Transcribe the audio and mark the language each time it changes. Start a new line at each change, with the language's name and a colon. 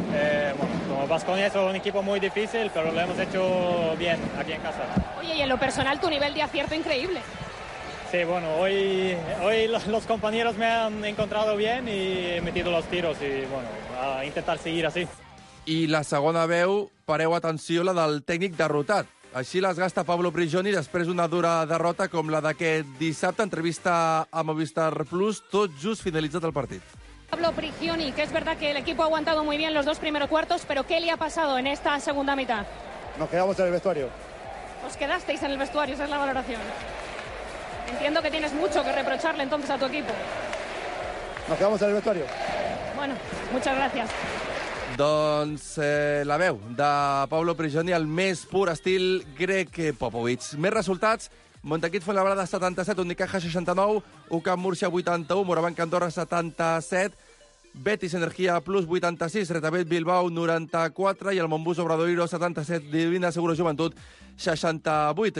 Spanish: Bueno, Baskonia es un equipo muy difícil, pero lo hemos hecho bien aquí en casa. Oye, y en lo personal, tu nivel de acierto increíble. Sí, bueno, hoy los compañeros me han encontrado bien y he metido los tiros y, bueno, a intentar seguir así.
Catalan: I la segona veu, pareu atenció, la del tècnic derrotat. Així les gasta Pablo Prigioni després d'una dura derrota com la d'aquest dissabte, entrevista a Movistar Plus, tot just finalitzat el partit.
Spanish: Pablo Prigioni, que es verdad que el equipo ha aguantado muy bien los dos primeros cuartos, pero ¿qué le ha pasado en esta segunda mitad? Nos quedamos en el vestuario. Os quedasteis en el vestuario, esa es la valoración. Entiendo que tienes mucho que reprocharle entonces a tu equipo. Nos quedamos en el vestuario. Bueno, muchas gracias.
Catalan: Doncs la veu de Pablo Prigioni, el més pur estil grec Popovic. Més resultats, Montequit Fuenlabrada 77, Unicaja 69, UCAM Múrcia 81, Morabanc Andorra 77, Betis Energia Plus 86, Retabet Bilbao 94 i el Montbus Obradoiro 77, Divina Segura Joventut 68.